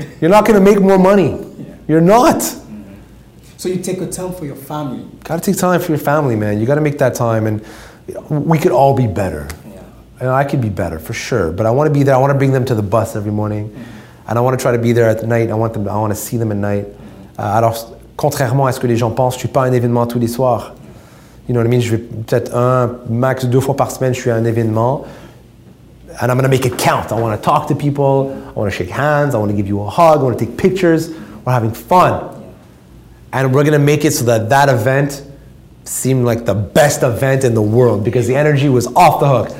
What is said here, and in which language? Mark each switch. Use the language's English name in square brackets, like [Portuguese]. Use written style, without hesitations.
[English] You're not going to make more money. Yeah. You're not. Mm-hmm. So you take a time for your family. Got to take time for your family, man. You got to make that time, and we could all be better. Yeah. And I could be better for sure, but I want to be there. I want to bring them to the bus every morning. Mm-hmm. And I want to try to be there at night. I want to see them at night. [French] Alors, contrairement à ce que les gens pensent, je suis pas un événement tous les soirs. [English] You know what I mean? [French] Je vais peut-être max deux fois par semaine, je suis à un événement. [English] And I'm going to make it count. I want to talk to people. I want to shake hands. I want to give you a hug. I want to take pictures. We're having fun. And we're going to make it so that event seemed like the best event in the world because the energy was off the hook.